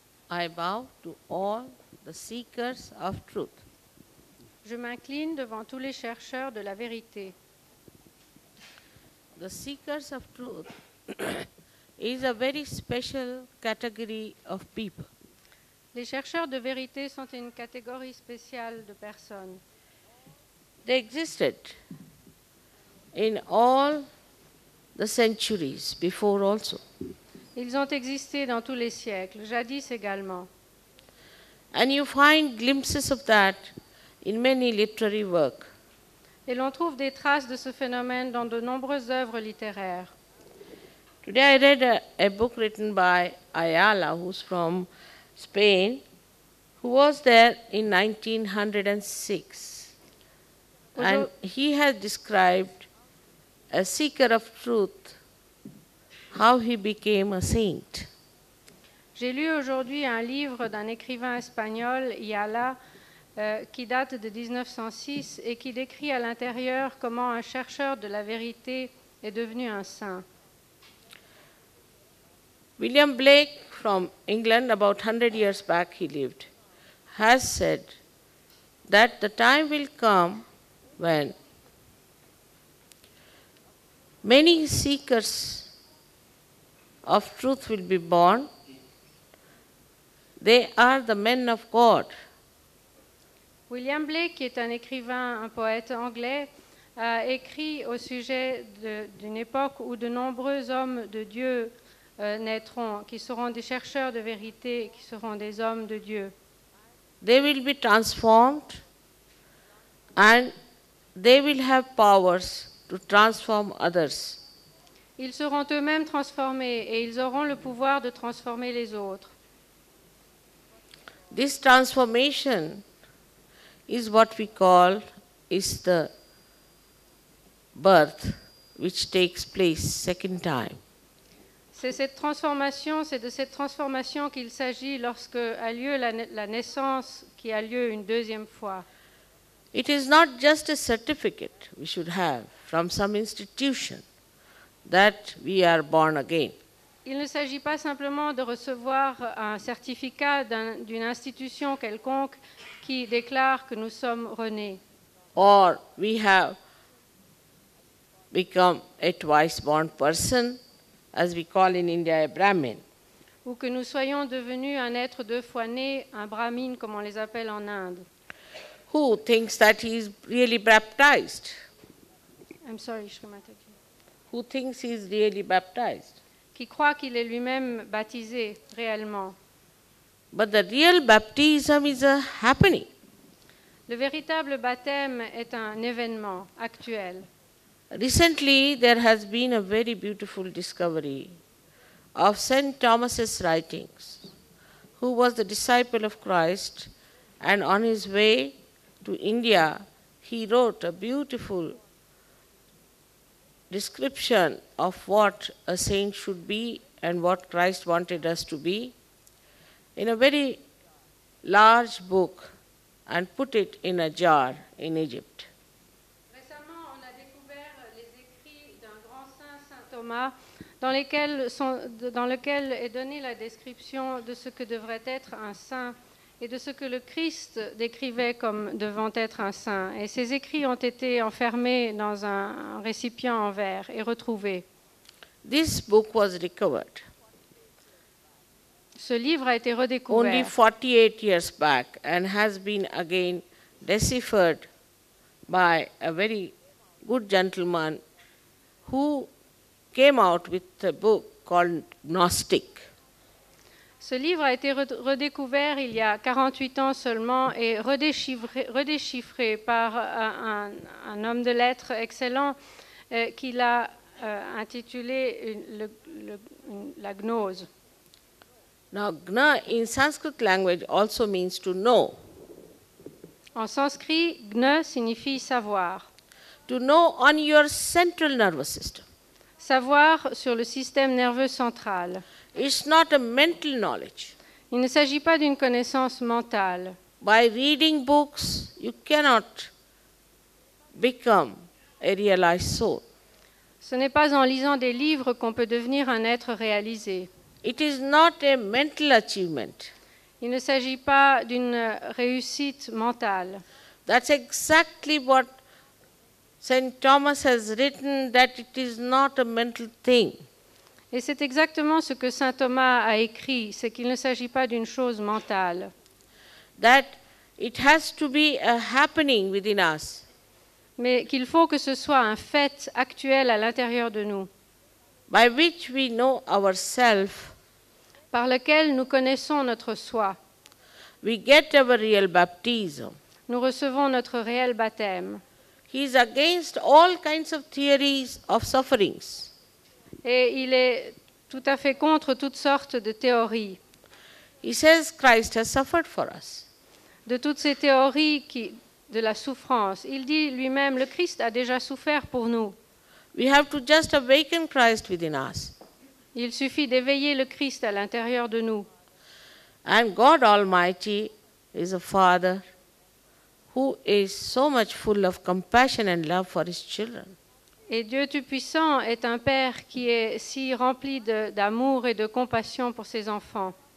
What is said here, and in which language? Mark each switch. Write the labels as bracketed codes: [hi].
[en] I bow to all the seekers of truth. [fr] Je m'incline devant tous les chercheurs de la vérité. [en] The seekers of truth is a very special category of people. [fr] Les chercheurs de vérité sont une catégorie spéciale de personnes. [en] They existed in all the centuries before also. [fr] Ils ont existé dans tous les siècles, jadis également. [en] And you find glimpses of that in many literary work. [fr] Et l'on trouve des traces de ce phénomène dans de nombreuses œuvres littéraires. [en] Today I read a book written by Ayala, who's from Spain, who was there in 1906. And he has described a seeker of truth. How he became a saint. [fr] J'ai lu aujourd'hui un livre d'un écrivain espagnol, Ayala, qui date de 1906 et qui décrit à l'intérieur comment un chercheur de la vérité est devenu un saint. [en] William Blake, from England, about 100 years back he lived, has said that the time will come when many seekers of truth will be born. They are the men of God. [fr] William Blake, qui est un écrivain, un poète anglais, a écrit au sujet d'une époque où de nombreux hommes de Dieu naîtront, qui seront des chercheurs de vérité, qui seront des hommes de Dieu. [en] They will be transformed and they will have powers to transform others. [fr] Ils seront eux-mêmes transformés et ils auront le pouvoir de transformer les autres. [en] This transformation is what we call is the birth which takes place second time. [fr] C'est de cette transformation qu'il s'agit lorsque a lieu la naissance qui a lieu une deuxième fois. [en] It is not just a certificate we should have from some institution that we are born again. [fr] Il ne s'agit pas simplement de recevoir un certificat d'une institution quelconque qui déclare que nous sommes renés. [en] Or we have become a twice born person, as we call in India a Brahmin. [fr] Ou que nous soyons devenus un être deux fois né, un Brahmin comme on les appelle en Inde. [en] Who thinks that he is really baptized? I'm sorry, Shrimati. Who thinks he is really baptized? [fr] Qui croit qu'il est lui-même baptisé réellement? [en] But the real baptism is a happening. [fr] Le véritable baptême est un événement actuel. [en] Recently, there has been a very beautiful discovery of Saint Thomas's writings, who was the disciple of Christ, and on his way to India, he wrote a beautiful description of what a saint should be and what Christ wanted us to be in a very large book and put it in a jar in Egypt. [fr] Récemment, on a découvert les écrits d'un grand saint, Saint Thomas, dans lequel est donnée la description de ce que devrait être un saint et de ce que le Christ décrivait comme devant être un saint. Et ces écrits ont été enfermés dans un récipient en verre et retrouvés. [en] This book was recovered. [fr] Ce livre a été redécouvert. [en] Only 48 years back and has been again deciphered by a very good gentleman who came out with a book called Gnostic. [fr] Ce livre a été redécouvert il y a 48 ans seulement et redéchiffré par un homme de lettres excellent qu'il a intitulé la gnose. [en] Now, gna in Sanskrit language also means to know. [fr] En sanskrit, gna signifie savoir. [en] To know on your central nervous system. [fr] Savoir sur le système nerveux central. [en] It's not a mental knowledge. [fr] Il ne s'agit pas d'une connaissance mentale. [en] By reading books, you cannot become a realized soul. [fr] Ce n'est pas en lisant des livres qu'on peut devenir un être réalisé. [en] It is not a mental achievement. [fr] Il ne s'agit pas d'une réussite mentale. [en] That's exactly what Saint Thomas has written, that it is not a mental thing. [fr] Et c'est exactement ce que Saint Thomas a écrit, c'est qu'il ne s'agit pas d'une chose mentale. [en] That it has to be a happening within us. [fr] Mais qu'il faut que ce soit un fait actuel à l'intérieur de nous. [en] By which we know ourselves. [fr] Par lequel nous connaissons notre soi. [en] We get our real baptism. [fr] Nous recevons notre réel baptême. [en] He is against all kinds of theories of sufferings. [fr] Et il est tout à fait contre toutes sortes de théories. [en] He says Christ has suffered for us. [fr] De toutes ces théories qui de la souffrance, il dit lui-même le Christ a déjà souffert pour nous. [en] We have to just awaken Christ within us. [fr] Il suffit d'éveiller le Christ à l'intérieur de nous. [en] And God Almighty is a Father who is so much full of compassion and love for his children. [fr] Et Dieu Tout-Puissant est un Père qui est si rempli d'amour et de compassion pour ses enfants.